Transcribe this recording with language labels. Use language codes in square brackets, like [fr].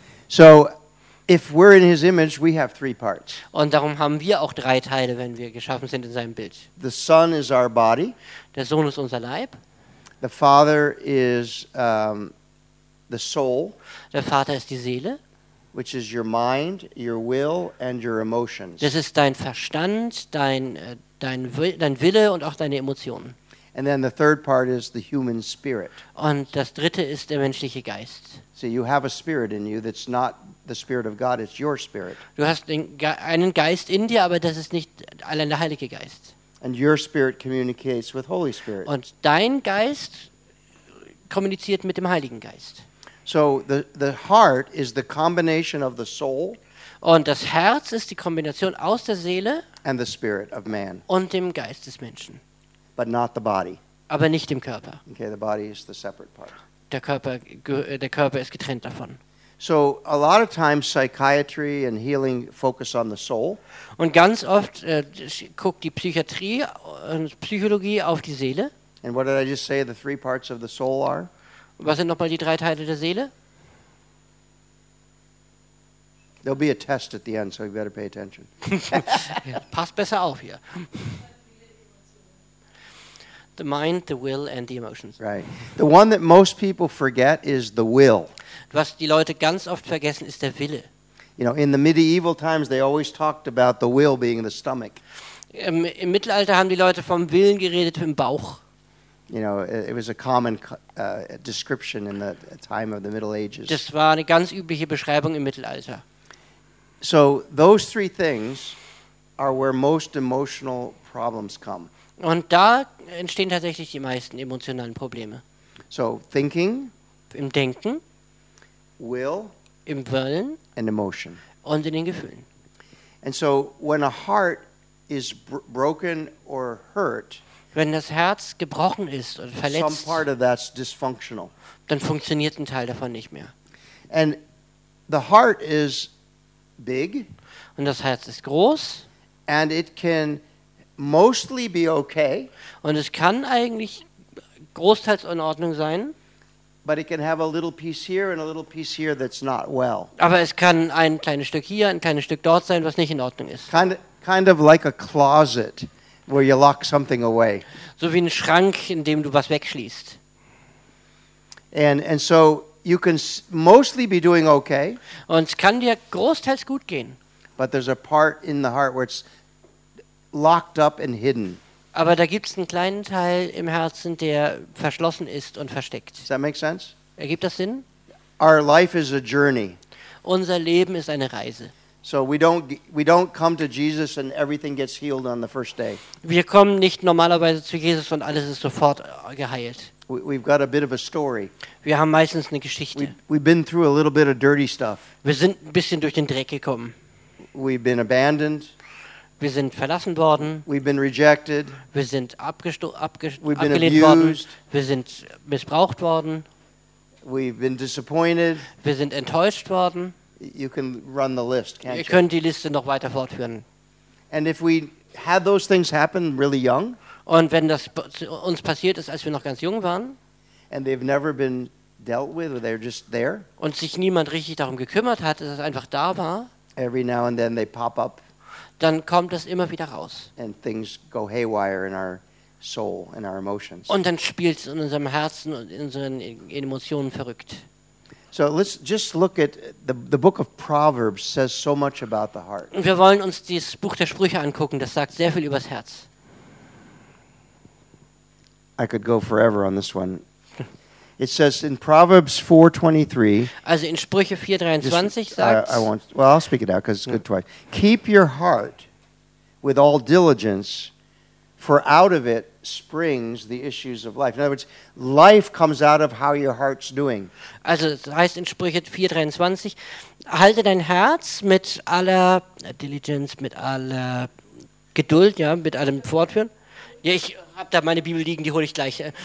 [en] So if we're in his image, we have three parts. [de] Und darum haben wir auch drei Teile, wenn wir geschaffen sind in seinem Bild. [en] The Son is our body. [de] Der Sohn ist unser Leib. [en] The Father is the soul. [de] Der Vater ist die Seele. [en] Which is your mind, your will and your emotions. [de] Das ist dein Verstand, dein Wille und auch deine Emotionen. [en] And then the third part is the human spirit. [de] Und das dritte ist der menschliche Geist. [en] So you have a spirit in you that's not the spirit of God, it's your spirit. [de] Du hast einen Geist in dir, aber das ist nicht allein der Heilige Geist. [en] And your spirit communicates with Holy Spirit. [de] Und dein Geist kommuniziert mit dem Heiligen Geist. [en] So the heart is the combination of the soul. [de] Und das Herz ist die Kombination aus der Seele [en] and the spirit of man. [de] Und dem Geist des Menschen. [en] But not the body. [de] Aber nicht dem Körper. [en] Okay, the body is the separate part. [de] Der Körper ist getrennt davon. [en] So a lot of times psychiatry and healing focus on the soul. [de] Und ganz oft guckt die Psychiatrie und Psychologie auf die Seele. [en] And what did I just say the three parts of the soul are? [de] Was sind nochmal die drei Teile der Seele? [en] There'll be a test at the end, so you better pay attention. [de] Passt besser auf hier. [en] The mind, the will and the emotions. Right. The one that most people forget is the will. [de] Was die Leute ganz oft vergessen, ist der Wille. [en] You know, in the medieval times they always talked about the will being the stomach. [de] Im Mittelalter haben die Leute vom Willen geredet, im Bauch. [en] You know, it was a common description in the time of the Middle Ages. [de] Das war eine ganz übliche Beschreibung im Mittelalter. [en] So those three things are where most emotional problems come. [de] Und da entstehen tatsächlich die meisten emotionalen Probleme. [en] So thinking, [de] im Denken, [en] will, [de] im Wollen, [en] and emotion, [de] und in den Gefühlen. [en] And so when a heart is broken or hurt, [de] wenn das Herz gebrochen ist oder verletzt, [en] some part of that's dysfunctional. [de] Dann funktioniert ein Teil davon nicht mehr. [en] And the heart is big, [de] und das Herz ist groß, [en] and it can mostly be okay, [de] und es kann eigentlich großteils in Ordnung sein, [en] but it can have a little piece here and a little piece here that's not well. [de] Aber es kann ein kleines Stück hier, ein kleines Stück dort sein, was nicht in Ordnung ist. [en] Kind of like a closet where you lock something away. [de] So wie ein Schrank, in dem du was wegschließt. [en] And so you can mostly be doing okay. [de] Und es kann dir großteils gut gehen. [en] But there's a part in the heart where it's locked up and hidden. [de] Aber da gibt's einen kleinen Teil im Herzen, der verschlossen ist und versteckt. [en] Does that make sense? [de] Ergibt das Sinn? [en] Our life is a journey. [de] Unser Leben ist eine Reise. [en] So we don't come to Jesus and everything gets healed on the first day. [de] Wir kommen nicht normalerweise zu Jesus und alles ist sofort geheilt. [en] We've got a bit of a story. [de] Wir haben meistens eine Geschichte. [en] We've been through a little bit of dirty stuff. [de] Wir sind ein bisschen durch den Dreck gekommen. [en] We've been abandoned. [de] Wir sind verlassen worden. [en] We've been rejected. [de] Wir sind abgelehnt worden. Wir sind missbraucht worden. [en] We've been disappointed. [de] Wir sind enttäuscht worden. [en] You can run the list, can't you? [de] Ihr könnt die Liste noch weiter fortführen. [en] And if we had those things happen really young, [de] und wenn das uns passiert ist, als wir noch ganz jung waren, [en] and they've never been dealt with, or they're just there, [de] und sich niemand richtig darum gekümmert hat, dass es einfach da war, [en] every now and then they pop up, [de] dann kommt das immer wieder raus. [en] And things go haywire in our soul and our emotions. [de] Und dann spielt es in unserem Herzen und in unseren Emotionen verrückt. [en] So let's just look at the book of Proverbs says so much about the heart. [de] Wir wollen uns das Buch der Sprüche angucken, das sagt sehr viel übers Herz. [en] I could go forever on this one. It says in Proverbs 4:23. [de] Also in Sprüche 4:23 sagt. [en] I'll speak it out because it's good twice. Keep your heart with all diligence, for out of it springs the issues of life. In other words, life comes out of how your heart's doing. [de] Also das heißt in Sprüche 4:23, halte dein Herz mit aller Diligence, mit aller Geduld, ja, mit allem Fortführen. Ja, ich hab da meine Bibel liegen, die hole ich gleich.